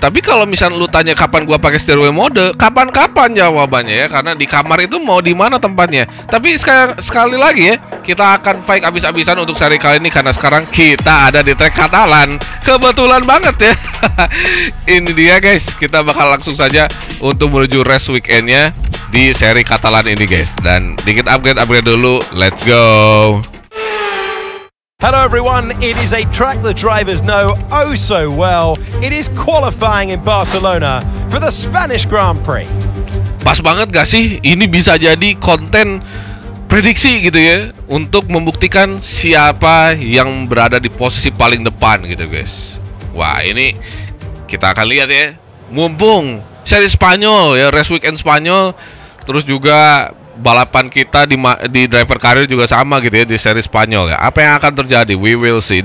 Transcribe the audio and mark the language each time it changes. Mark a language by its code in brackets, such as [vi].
[id] Tapi kalau misalnya lu tanya kapan gua pakai steer wheel mode, kapan-kapan jawabannya ya, karena di kamar itu mau di mana tempatnya. Tapi sekali lagi ya, kita akan fight abis-abisan untuk seri kali ini, karena sekarang kita ada di track Catalan. Kebetulan banget ya. Ini dia guys, kita bakal langsung saja untuk menuju race weekendnya di seri Catalan ini guys. Dan dikit upgrade dulu, [en] let's go. Hello everyone, it is a track the drivers know oh so well. It is qualifying in Barcelona for the Spanish Grand Prix. [id] Pas banget gak sih? Ini bisa jadi konten prediksi gitu ya, untuk membuktikan siapa yang berada di posisi paling depan gitu guys. Wah ini kita akan lihat ya. Mumpung seri Spanyol ya, race weekend Spanyol, terus juga balapan kita di driver karir juga sama gitu ya, di seri Spanyol ya. Apa yang akan terjadi? [en] We will see.